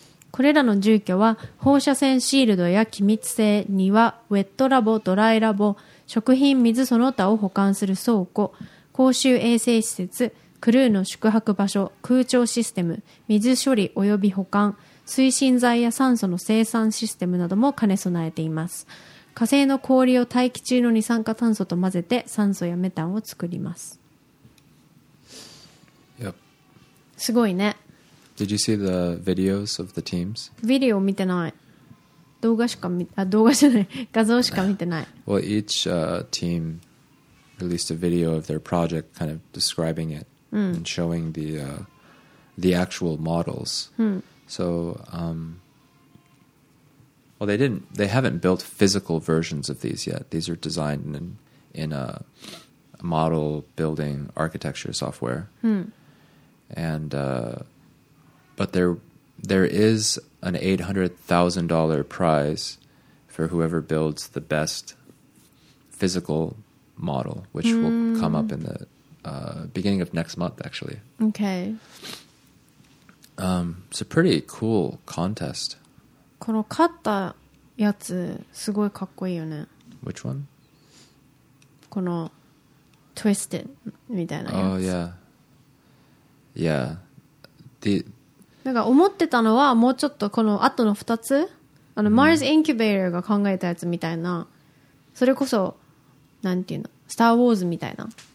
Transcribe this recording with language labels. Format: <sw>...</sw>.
<ja>これらの住居は放射線シールドや気密性、庭、ウェットラボ、ドライラボ、食品、水その他を保管する倉庫、公衆衛生施設、クルーの宿泊場所、空調システム、水処理及び保管、推進剤や酸素の生産システムなども兼ね備えています。火星の氷を大気中の二酸化炭素と混ぜて酸素やメタンを作ります。すごいね。</ja> <en>Did you see the videos of the teams?</en> <ja>ビデオ見てない。動画しか見、あ、動画じゃない。画像しか見てない。</ja> <en>Well, each team released a video of their project, kind of describing it、うん、 and showing the actual models.、うん、 so, well, they haven't built physical versions of these yet. These are designed in a model building architecture software.、うん And, but there is an $800,000 prize for whoever builds the best physical model, which will come up in the beginning of next month, actually. Okay. It's a pretty cool contest.</en> <ja>この買ったやつすごいかっこいいよね。</ja> <en>Which one?</en> <ja>この twisted みたいなやつ。</ja> <en>Oh, yeah. Yeah.</en> <ja>なんか思ってたのはもうちょっとこの後の2つ、あの Mars Incubator が考えたやつみたいな、それこそなんていうの、スターウォーズみたいな、</ja>